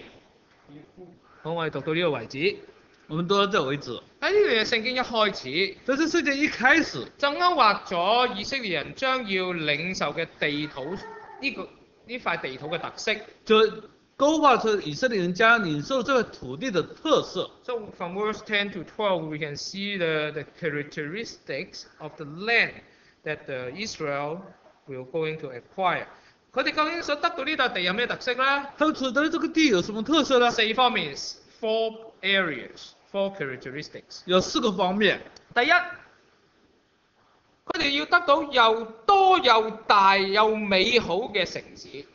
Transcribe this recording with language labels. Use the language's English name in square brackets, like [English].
[Chinese] 我们读到这个位置，我们读到这个位置，在这个圣经一开始，这是圣经一开始就勾画了以色列人将要领受的地图，这块地图的特色，就勾画出以色列人将领受这个土地的特色。 [English] So from verse 10 to 12 we can see the characteristics of the land that the Israel will going to acquire。 [Chinese] 他们究竟所得到这块地有什么特色呢？他们得到这个地有什么特色呢？四方面， [English] four areas， four characteristics， [Chinese] 有四个方面。第一，他们要得到又多又大又美好的城市。